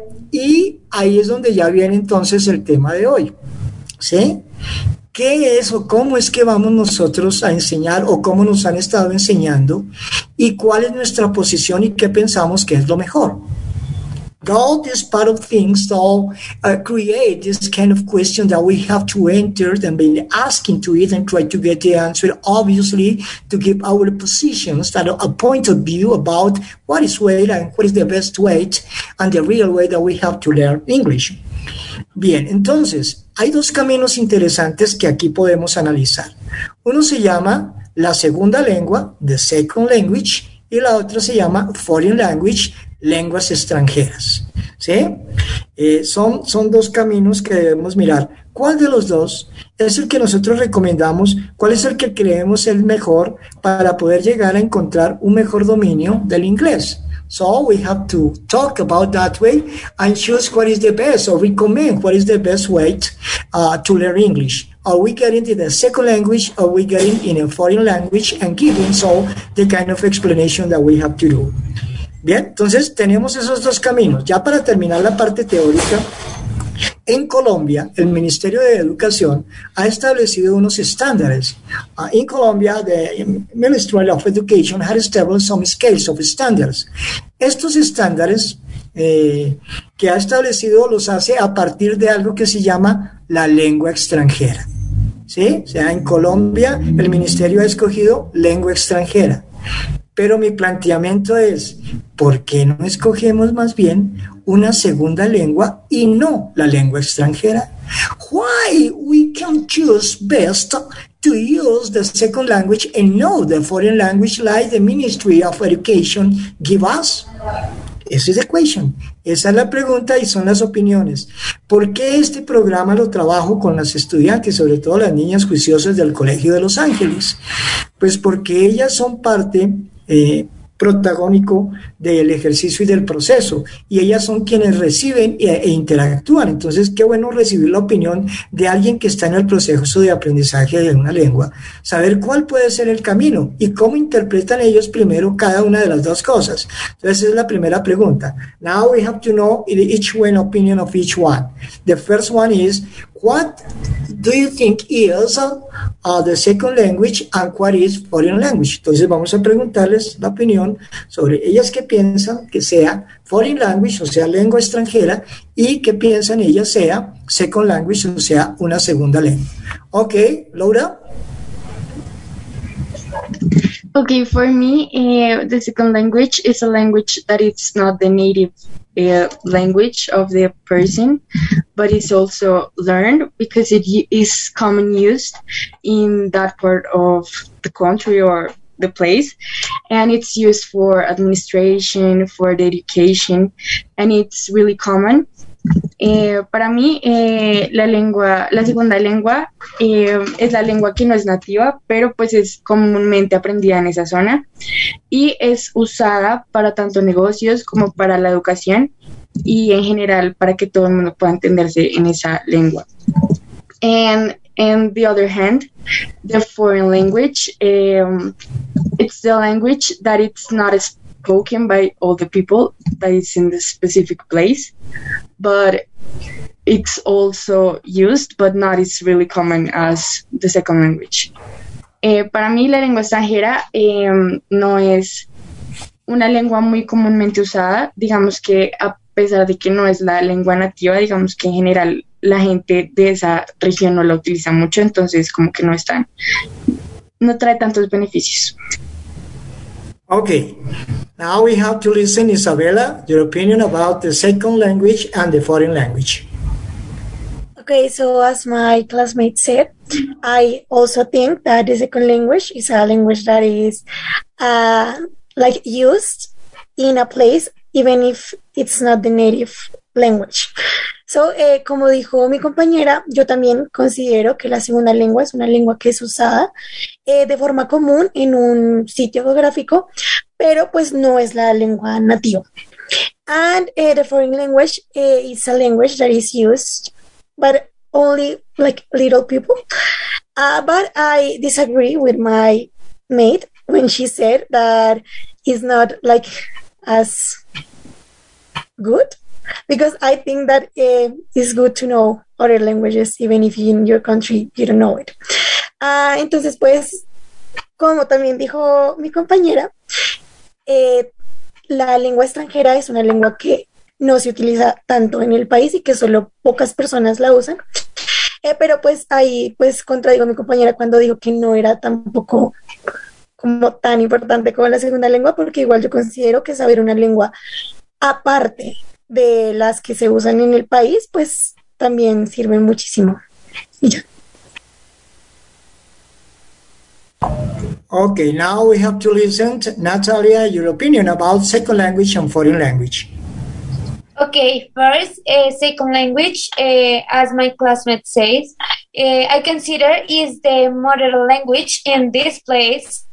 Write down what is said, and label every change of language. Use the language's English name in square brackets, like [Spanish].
[Spanish] Y ahí es donde ya viene entonces el tema de hoy, ¿sí? ¿Qué es o cómo es que vamos nosotros a enseñar o cómo nos han estado enseñando y cuál es nuestra posición y qué pensamos que es lo mejor? [English] All this part of things all create this kind of question that we have to enter and be asking to it and try to get the answer, obviously, to give our positions that a point of view about what is way and what is the best way and the real way that we have to learn English. [Spanish] Bien, entonces, hay dos caminos interesantes que aquí podemos analizar. Uno se llama la segunda lengua, [English] the second language, [Spanish] y la otra se llama [English] foreign language, [Spanish] lenguas extranjeras, ¿sí? Son dos caminos que debemos mirar. ¿Cuál de los dos es el que nosotros recomendamos? ¿Cuál es el que creemos el mejor para poder llegar a encontrar un mejor dominio del inglés? [English] So we have to talk about that way and choose what is the best or recommend what is the best way to learn English. Are we getting in the second language or are we getting in a foreign language and giving so the kind of explanation that we have to do? [Spanish] Bien, entonces tenemos esos dos caminos. Ya para terminar la parte teórica, en Colombia, el Ministerio de Educación ha establecido unos estándares. [English] In Colombia, the Ministry of Education has established some scales of standards. [Spanish] Estos estándares que ha establecido los hace a partir de algo que se llama la lengua extranjera. ¿Sí? O sea, en Colombia, el Ministerio ha escogido lengua extranjera. Pero mi planteamiento es, ¿por qué no escogemos más bien una segunda lengua y no la lengua extranjera? [English] Why we can choose best to use the second language and not the foreign language like the Ministry of Education give us? [Spanish] Esa es la equation. Esa es la pregunta y son las opiniones. ¿Por qué este programa lo trabajo con las estudiantes, sobre todo las niñas juiciosas del Colegio de Los Ángeles? Pues porque ellas son parte protagónico del ejercicio y del proceso, y ellas son quienes reciben e interactúan. Entonces, qué bueno recibir la opinión de alguien que está en el proceso de aprendizaje de una lengua, saber cuál puede ser el camino y cómo interpretan ellos primero cada una de las dos cosas. Entonces, esa es la primera pregunta. [English] Now we have to know each one opinion of each one. The first one is, what do you think is the second language and what is foreign language? [Spanish] Entonces vamos a preguntarles la opinión sobre ellas que piensan que sea [English] foreign language, [Spanish] o sea, lengua extranjera, y que piensan ellas sea [English] second language, [Spanish] o sea, una segunda lengua. [English] Ok, Laura. Ok, for me, the second language is a language that it's not the native language of the person, but it's also learned because it is common used in that part of the country or the place, and it's used for administration, for the education, and it's really common. [Spanish] Para mí, la segunda lengua es la lengua que no es nativa, pero pues es comúnmente aprendida en esa zona y es usada para tanto negocios como para la educación y en general para que todo el mundo pueda entenderse en esa lengua. [English] And on the other hand, the foreign language, it's the language that it's not spoken by all the people that is in the specific place, but it's also used, but not as really common as the second language. [Spanish] Para mí la lengua extranjera no es una lengua muy comúnmente usada, digamos que a pesar de que no es la lengua nativa, digamos que en general la gente de esa región no la utiliza mucho, entonces como que no trae tantos beneficios. [English] Okay, now we have to listen, Isabella, your opinion about the second language and the foreign language. Okay, so as my classmate said, I also think that the second language is a language that is like used in a place, even if it's not the native language. [Spanish] So, como dijo mi compañera, yo también considero que la segunda lengua es una lengua que es usada de forma común en un sitio geográfico, pero pues no es la lengua nativa. [English] And the foreign language is a language that is used, but only like little people. But I disagree with my mate when she said that it's not like as good. Because I think that it's good to know other languages, even if in your country you don't know it. [Spanish] Entonces, pues, como también dijo mi compañera, la lengua extranjera es una lengua que no se utiliza tanto en el país y que solo pocas personas la usan. Pero pues ahí, pues, contradigo a mi compañera cuando dijo que no era tampoco como tan importante como la segunda lengua, porque igual yo considero que saber una lengua aparte de las que se usan en el país, pues también sirven muchísimo. [English] Okay, now we have to listen to Natalia, your opinion about second language and foreign language. Okay, first, second language, as my classmate says, I consider is the mother language in this place.